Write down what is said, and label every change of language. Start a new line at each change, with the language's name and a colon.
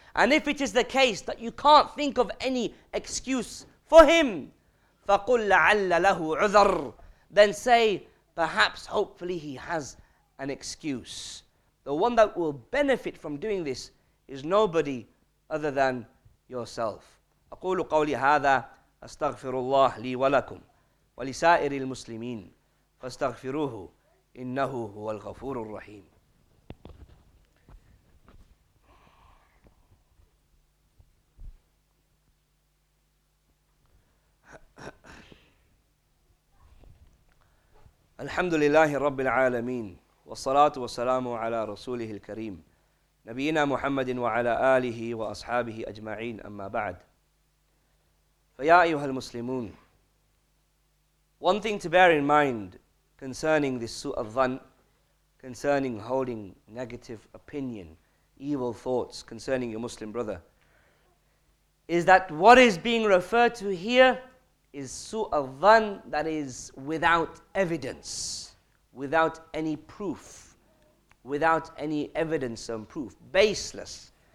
English: And if it is the case that you can't think of any excuse for him,
Arabic: فَقُلْ لَعَلَّ لَهُ عُذَرٌ.
English: Then say, perhaps, hopefully he has an excuse. The one that will benefit from doing this is nobody other than yourself.
Arabic: أَقُولُ قَوْلِ هَذَا أَسْتَغْفِرُ اللَّهِ لِي وَلَكُمْ وَلِسَائِرِ الْمُسْلِمِينَ فاستغفروه إنه هو الغفور الرحيم. الحمد لله رب العالمين والصلاة والسلام على رسوله الكريم نبينا محمد وعلى آله وأصحابه أجمعين أما بعد فيا أيها المسلمون.
English: One thing to bear in mind concerning this su'a dhan, concerning holding negative opinion, evil thoughts concerning your Muslim brother, is that what is being referred to here is su'a dhan that is without evidence, without any proof, without any evidence and proof, baseless.